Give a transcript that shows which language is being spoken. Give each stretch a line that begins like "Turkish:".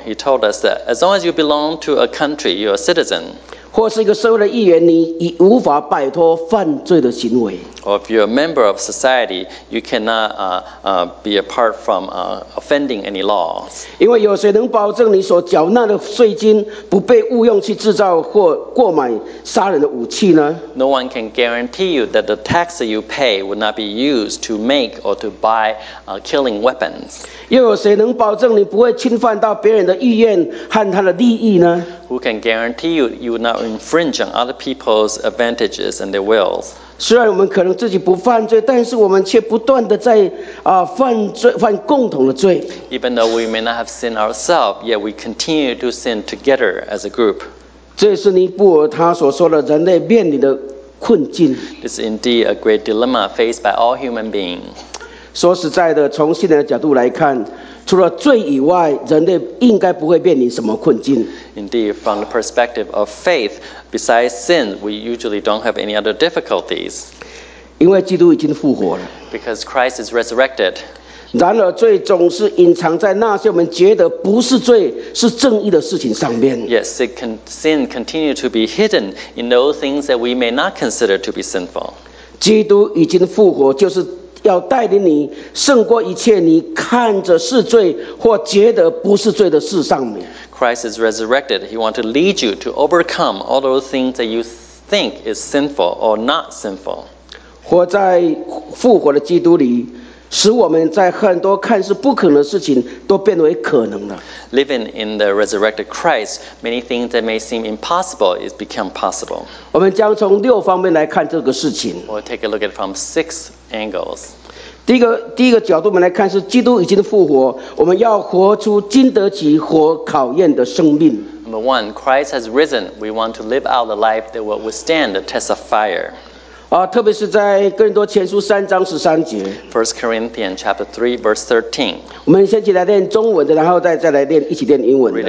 English: He told us that as long as you belong to a country, you're a citizen.
Chinese: 或是一个社会的一员，你已无法摆脱犯罪的行为。
English: Or if you're a member of society, you cannot be apart from offending any laws.
Chinese: 因为有谁能保证你所缴纳的税金不被误用去制造或购买杀人的武器呢？
English: No one can guarantee you that the tax that you pay would not be used to make or to buy killing weapons.
Chinese: 又有谁能保证你不会侵犯到别人的意愿和他的利益呢？
English: Who can guarantee you you will not infringe on other people's advantages and their wills?
Chinese: 虽然我们可能自己不犯罪，但是我们却不断的在犯共同的罪。
English: Even though we may not have sinned ourselves, yet we continue to sin together as a group.
Chinese: 这是尼布尔他所说的人类面临的困境。
English: This is indeed a great dilemma faced by all human beings.
Chinese: 说实在的，从信仰的角度来看。除了罪以外，人类应该不会面临什么困境。
English: Indeed, from the perspective of faith, besides sin, we usually don't have any other difficulties.
Chinese: 因为基督已经复活了。
English: Because Christ is resurrected.
Chinese: 然而，罪总是隐藏在那些我们觉得不是罪是正义的事情上面。
English: Yes, sin continues to be hidden in those things that we may not consider to be sinful.
Chinese: 基督已经复活，就是。要带领你胜过一切你看着是罪或觉得不是罪的事上面。
English: Christ is resurrected. He wants to lead you to overcome all those things that you think is sinful or not sinful.
Chinese: 活在复活的基督里，使我们在很多看似不可能的事情都变为可能了。
English: Living in the resurrected Christ, many things that may seem impossible is become possible.
Chinese: 我们将从六方面来看这个事情。
English: We'll take a look at it from six angles.
Chinese: 第一个角度我们来看是基督已经复活，我们要活出经得起火考验的生命。
English: Number one, Christ has risen. We want to live out the life that will withstand the test of fire.
Chinese: 特别是在哥林多前书三章十三节。
English: First Corinthians chapter 3 verse 13。
Chinese: 我们先起来练中文的，然后再来练一起练英文的。